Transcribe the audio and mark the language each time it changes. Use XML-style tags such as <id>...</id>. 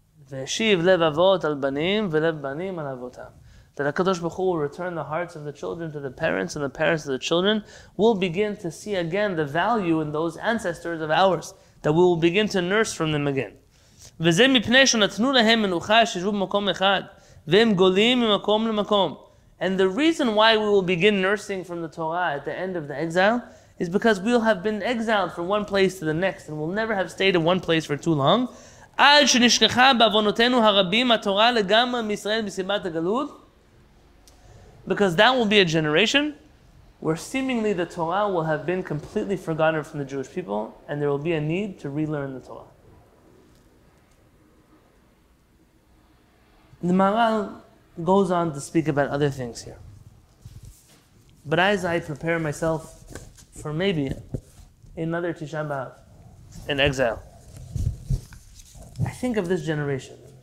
<he>Ve'shiv lev avot al banim ve'lev banim al avotam.</he> <en>That HaKadosh Baruch Hu will return the hearts of the children to the parents, and the parents of the children will begin to see again the value in those ancestors of ours, that we will begin to nurse from them again.</en> <he>וזה מפני שנתנו להם מנוחה שישבו במקום אחד והם גולים ממקום למקום.</he> <en>And the reason why we will begin nursing from the Torah at the end of the exile is because we'll have been exiled from one place to the next and we'll never have stayed in one place for too long.</en> <he>עד שנשכחה בעוונותינו הרבים התורה לגמרי מישראל מסיבת הגלות.</he> <en>Because that will be a generation where seemingly the Torah will have been completely forgotten from the Jewish people and there will be a need to relearn the Torah. The Maharal goes on to speak about other things here. But as I prepare myself for maybe another Tisha B'Av in exile, I think of this generation.</en>